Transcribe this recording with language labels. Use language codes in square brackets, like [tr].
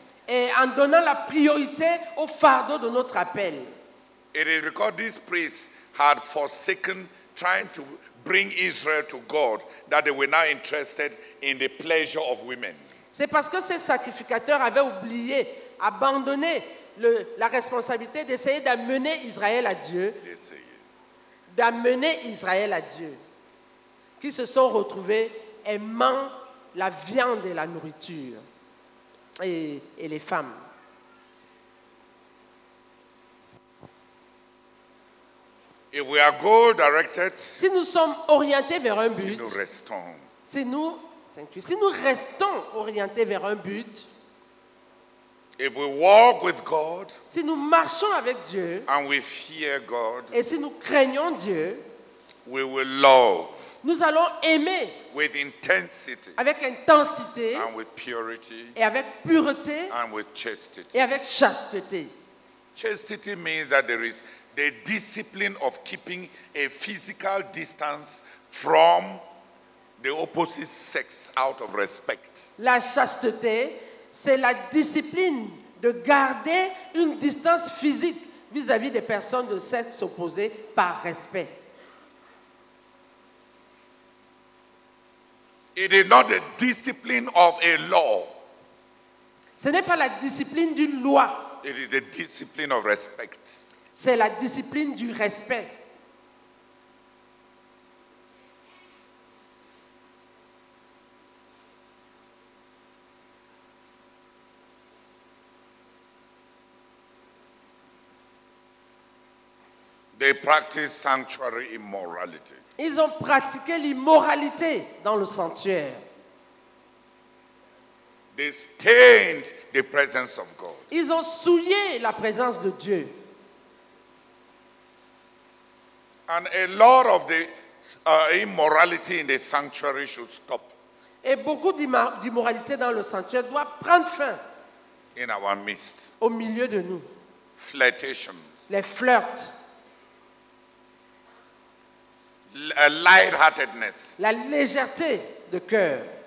[fr] Et en donnant la priorité au fardeau de notre appel. [en] It is because this priest had forsaken trying to bring Israel to God that they were now interested in the pleasure of women. [fr] C'est parce que ces sacrificateurs avaient oublié, abandonné la responsabilité d'essayer d'amener Israël à Dieu. D'amener Israël à Dieu. Qui se sont retrouvés aimant la viande et la nourriture et les femmes. [en] If we are goal directed, [fr] si nous sommes orientés vers un but, si nous restons orientés vers un but, [en] if we walk with God, [fr] si nous marchons avec Dieu, [en] and we fear God, [fr] et si nous craignons Dieu, [en] we will love. [fr] Nous allons aimer [en] with intensity, [fr] avec intensité [en] and with purity, [fr] et avec pureté [en] and with chastity. [fr] Et avec chasteté. [en] Chastity means that there is the discipline of keeping a physical distance from the opposite sex out of respect. [fr] La chasteté, c'est la discipline de garder une distance physique vis-à-vis des personnes de sexe opposé par respect. [en] It is not the discipline of a law. [fr] Ce n'est pas la discipline d'une loi. [en] It is the discipline of respect. [fr] C'est la discipline du respect. [en] They practice sanctuary immorality. [fr] Ils ont pratiqué l'immoralité dans le sanctuaire. [en] They stained the presence of God. [fr] Ils ont souillé la présence de Dieu. [en] And a lot of the immorality in the sanctuary should stop. [fr] Et beaucoup d'immoralité dans le sanctuaire doit prendre fin. [en] In our midst. [fr] Au milieu de nous. [en] Flirtations. [fr] Les flirts. [en] A light-heartedness. [fr] La légèreté de cœur.